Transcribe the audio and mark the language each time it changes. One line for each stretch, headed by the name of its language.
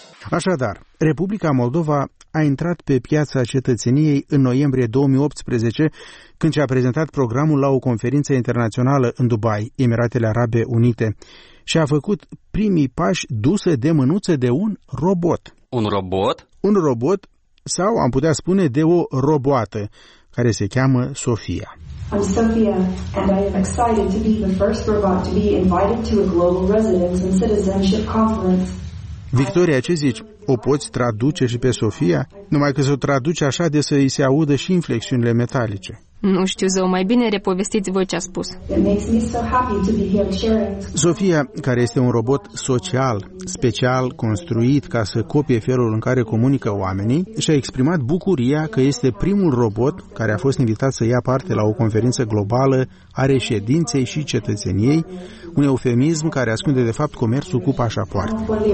Romanian: Așadar, Republica Moldova a intrat pe piața cetățeniei în noiembrie 2018, când și-a prezentat programul la o conferință internațională în Dubai, Emiratele Arabe Unite, și a făcut primii pași duse de mânuță de un robot. Un robot? Un robot, sau am putea spune de o roboată, care se cheamă Sofia.
English: I'm Sofia, and I am excited to be the first robot to be invited to a global residence and citizenship conference.
Romanian: Victoria, ce zici? O poți traduce și pe Sofia? Numai că se o traduce așa de să îi se audă și inflexiunile metalice. Nu știu, zău, mai bine repovestiți voi ce a spus. Sofia, care este un robot social, special construit ca să copie felul în care comunică oamenii, și-a exprimat bucuria că este primul robot care a fost invitat să ia parte la o conferință globală a reședinței și cetățeniei, un eufemism care ascunde de fapt comerțul cu pașapoarte.